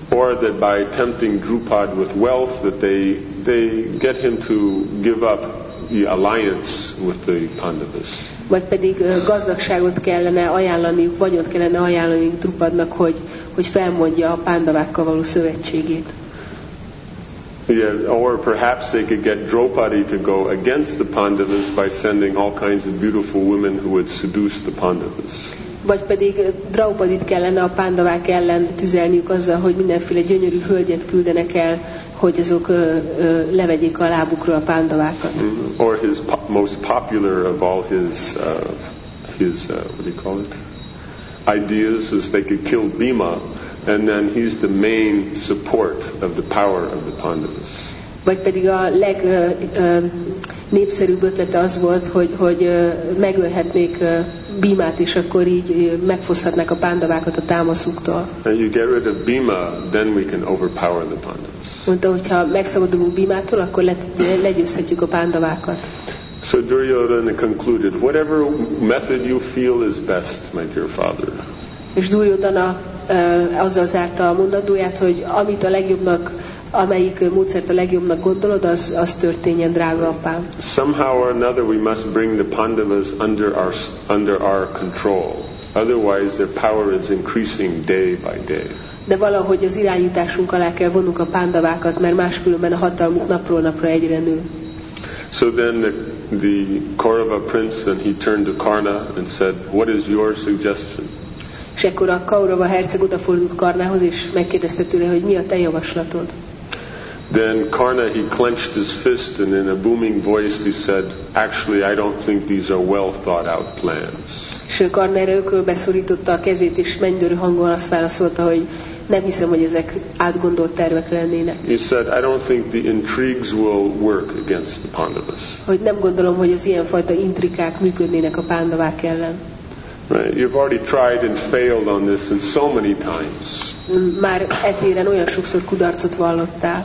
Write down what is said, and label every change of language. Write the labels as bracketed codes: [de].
[en] Or that by tempting Drupad with wealth, that they get him to give up the alliance with the Pandavas. [hu] Vagy pedig gazdagságot kellene ajánlaniuk, vagyot kellene ajánlaniuk Drupadnak, hogy felmondja a Pandavákkal való szövetségét. [en] Yeah, or perhaps they could get Draupadi to go against the Pandavas by sending all kinds of beautiful women who would seduce the Pandavas. [hu] Vagy pedig Draupadit kellene a Pandavák ellen tüzelniük azzal, hogy mindenféle gyönyörű hölgyet küldenek el, hogy azok levegyék a lábukról a Pandavákat. [en] Or his most popular of all his what do you call it? Ideas is they could kill Bhima, and then he's the main support of the power of the Pandavas. [hu] Vagy pedig a leg népszerűbb ötlete az volt, hogy megölhetnék Bhimát, és akkor így megfoszthatnák a Pandavákat a támaszuktól. [en] And you get rid of Bhima, then we can overpower the Pandavas. [hu] Mondta, hogyha megszabadulunk Bhimától, akkor legyőzhetjük a Pandavákat. [en] So Duryodhana concluded, whatever method you feel is best, my dear father. [hu] És Duryodhana azzal zárta a mondandóját, hogy amit a legjobbnak, amelyik módszert a legjobbnak gondolod, az történjen, drága apám. [en] Somehow or another we must bring the Pandavas under our control. Otherwise their power is increasing day by day. [hu] De valahogy az irányításunk alá kell vonnunk a Pandavákat, mert máskülönben a hatalmuk napról napra egyre nő. [en] So then the Kaurava prince, and he turned to Karna and said, "What is your suggestion?" [hu] És ekkor a Kaurava herceg odafordult Karnához, és megkérdezte tőle, hogy mi a te javaslatod. [en] Then Karna, he clenched his fist, and in a booming voice he said, "Actually, I don't think these are well thought out plans." [hu] És Karna erre ökölbe szorította a kezét, és mennydörű hangon azt válaszolta, hogy nem hiszem, hogy ezek átgondolt tervek lennének. [en] He said, "I don't think the intrigues will work against the Pandavas." [hu] Hogy nem gondolom, hogy az ilyenfajta intrikák működnének a Pandavák ellen. [en] Right. You've already tried and failed on this and so many times. [hu] Már etéren olyan sokszor kudarcot vallottál.